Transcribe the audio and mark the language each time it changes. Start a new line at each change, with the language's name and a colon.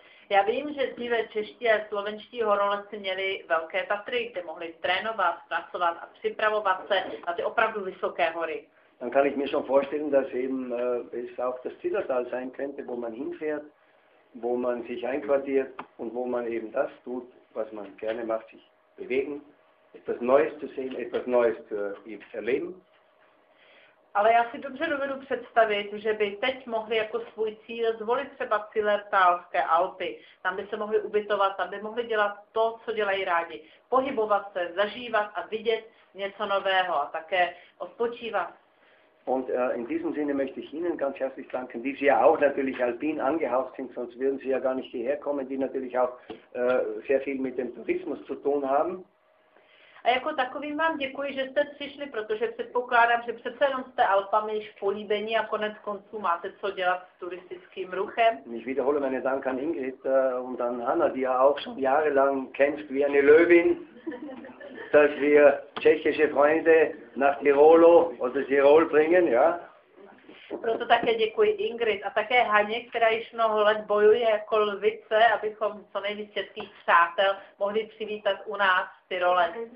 Czech: Já vím, že dříve čeští a slovenští horolezci měli velké Tatry, kde mohli trénovat, pracovat a připravovat se na ty opravdu vysoké hory.
German: Dann kann ich mir schon vorstellen, dass eben es auch das Zillertal sein könnte, wo man hinfährt, wo man sich einquartiert und wo man eben das tut, was man gerne macht, sich bewegen, etwas Neues zu sehen, etwas Neues zu erleben.
Czech: Ale já si dobře dovedu představit, že by teď mohli jako svůj cíl zvolit třeba Zillertalské Alpy. Tam by se mohli ubytovat, tam by mohli dělat to, co dělají rádi. Pohybovat se, zažívat a vidět něco nového a také odpočívat.
German: Und in diesem Sinne möchte ich Ihnen ganz herzlich danken, die Sie ja auch natürlich alpin angehaucht sind, sonst würden Sie ja gar nicht hierher kommen, die natürlich auch sehr viel mit dem Tourismus zu tun haben.
Czech: A jako takovým vám děkuji, že jste přišli, protože předpokládám, že přece jenom jste Alpami již políbení a konec konců máte co dělat s turistickým ruchem.
German: Ich wiederhole meine Dank an Ingrid und an Hanna, die ja auch schon jahrelang kämpft wie eine Löwin, dass wir tschechische Freunde nach Tirolo oder Tirol bringen, ja.
Czech: Proto také děkuji Ingrid a také Haně, která již mnoho let bojuje jako lvice, abychom co nejvíc českých přátel mohli přivítat u nás v Tyrole.